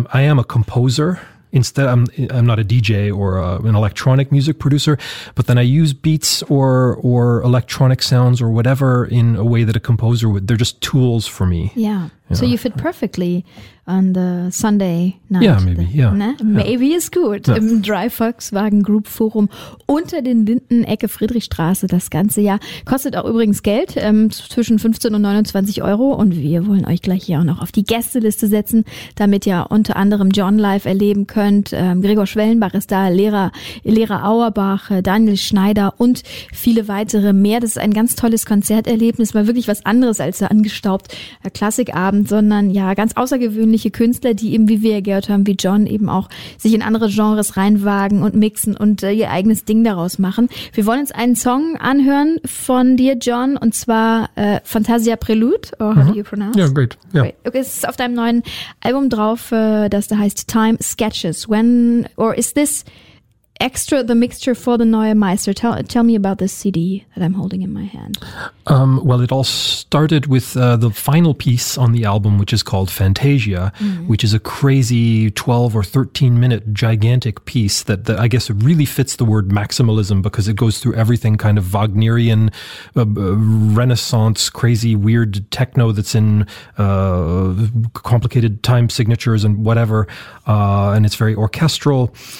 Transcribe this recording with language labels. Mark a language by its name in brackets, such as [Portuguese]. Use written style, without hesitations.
[English] I am a composer. Instead, I'm not a DJ or an electronic music producer, but then I use beats or electronic sounds or whatever in a way that a composer would. They're just tools for me. Yeah. So you fit perfectly on the Sunday night. Yeah, maybe. Maybe is good. Ja. [German] Im Dry Volkswagen Group Forum unter den Linden, Ecke Friedrichstraße, das ganze Jahr. Kostet auch übrigens Geld, zwischen 15 und 29 Euro. Und wir wollen euch gleich hier auch noch auf die Gästeliste setzen, damit ihr unter anderem John live erleben könnt. Gregor Schwellenbach ist da, Lehrer Auerbach, Daniel Schneider und viele weitere mehr. Das ist ein ganz tolles Konzerterlebnis, mal wirklich was anderes als der angestaubte Klassikabend. haben, sondern ja, ganz außergewöhnliche Künstler, die eben, wie wir gehört haben, wie John, eben auch sich in andere Genres reinwagen und mixen und ihr eigenes Ding daraus machen. Wir wollen uns einen Song anhören von dir, John, und zwar Fantasia Prelude. [English] Oh, how do you pronounce? Ja, great. Yeah. [German] Okay, es ist auf deinem neuen Album drauf, das da heißt Time Sketches. [English] When, or is this extra the mixture for the Neue Meister? Tell me about this CD that I'm holding in my hand. Well, it all started with the final piece on the album, which is called Fantasia, which is a crazy 12 or 13 minute gigantic piece that I guess really fits the word maximalism, because it goes through everything kind of Wagnerian, Renaissance, crazy weird techno that's in complicated time signatures and whatever, and it's very orchestral.